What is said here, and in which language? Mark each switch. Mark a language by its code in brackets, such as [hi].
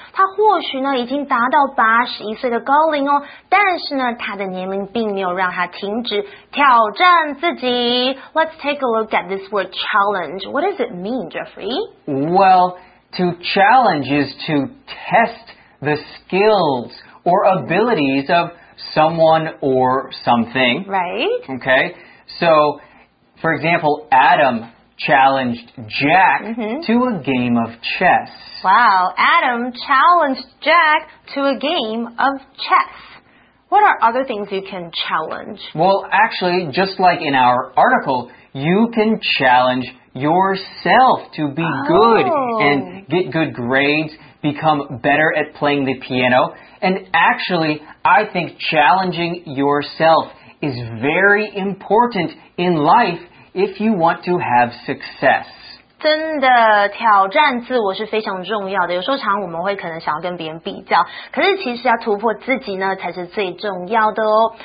[zh] 他或许呢已经达到81岁的高龄哦，但是呢他的年龄并没有让他停止挑战自己。 [en] Let's take a look at this word challenge. What does it mean, Jeffrey? Well... To challenge is to test the skills or abilities of someone or something. Right. Okay. So, for example, Adam challenged Jack to a game of chess. Wow. Adam challenged Jack to a game of chess. What are other things you can challenge? Well, actually, just like in our article, you can challenge yourself to be good and get good grades, become better at playing the piano. And actually, I think challenging yourself is very important in life if you want to have success. [zh] 真的挑战自我是非常重要的，有时候常我们会可能想要跟别人比较，可是其实要突破自己呢才是最重要的哦。